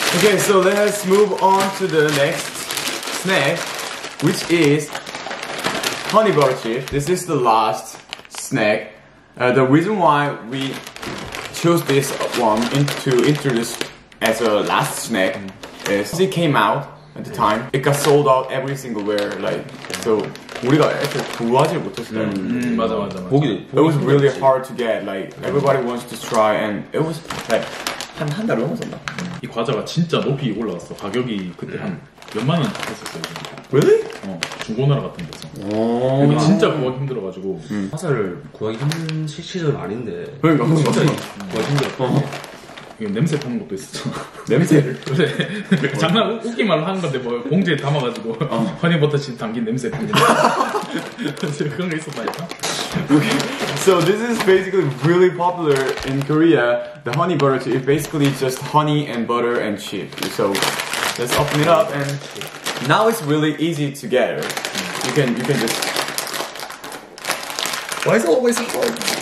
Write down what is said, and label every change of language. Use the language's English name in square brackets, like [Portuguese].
[English] Okay, so let's move on to the next snack, which is honey butter chip. This is the last snack. The reason why we chose this one to introduce as a last snack is it came out at the time. It got sold out every single where, like, so. [Korean] 우리가 애초에 구하지 못했어요. 맞아 맞아 맞아. 보기도 [English] It was really [Korean] 맞지. [English] hard to get. Like everybody wants to try, and it was like [Korean] 한 달을 넘었나? 이 과자가 진짜 높이 올라왔어. 가격이 그때 한 몇만원 했었어요. 왜? 어, 중고나라 같은 데서. 근데 진짜 구하기 힘들어가지고. 화살을 구하기 힘든 시절 아닌데. 그러니까, 진짜 구하기 힘들었어. 이게 냄새 파는 것도 있었죠. 냄새를? 그래. 장난, 웃기 말로 하는 건데, 뭐, 봉지에 담아가지고. 어. 허니버터 칩 담긴 냄새 파는 거. 사실 그런 게 있었다니까. [English] So this is basically really popular in Korea, the honey butter chip. Basically just honey and butter and chip. So let's open it up and now it's really easy to get. You can just. Why is it always so hard?